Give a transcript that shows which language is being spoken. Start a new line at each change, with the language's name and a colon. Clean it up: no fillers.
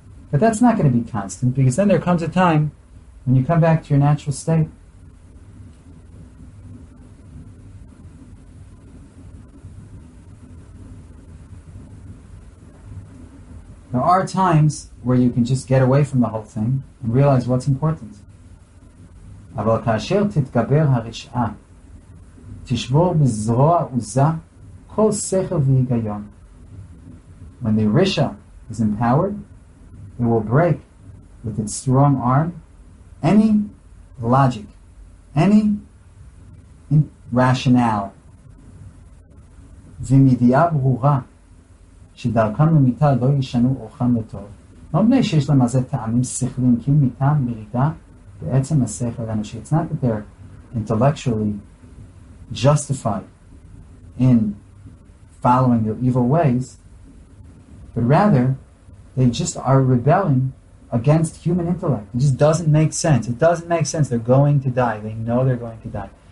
English: But that's not going to be constant, because then there comes a time when you come back to your natural state. There are times where you can just get away from the whole thing and realize what's important.
Hebrew: אבל כאשר תתגבר הרשעה, תשבור בזרוע עוזה כל שכל והיגיון.
English: When the rishah is empowered, it will break with its strong arm any logic, any rationale.
Hebrew: ומידיעה ברורה, שדרכם למיטה לא ישנו אורחם לטוב. לא מפני שיש להם על זה טעמים שכליים, כי מיטה מרידה בעצם השכל האנושי.
English: It's not that they're intellectually justified in following their evil ways, but rather, they just are rebelling against human intellect. It just doesn't make sense. It doesn't make sense. They're going to die. They know they're going to die.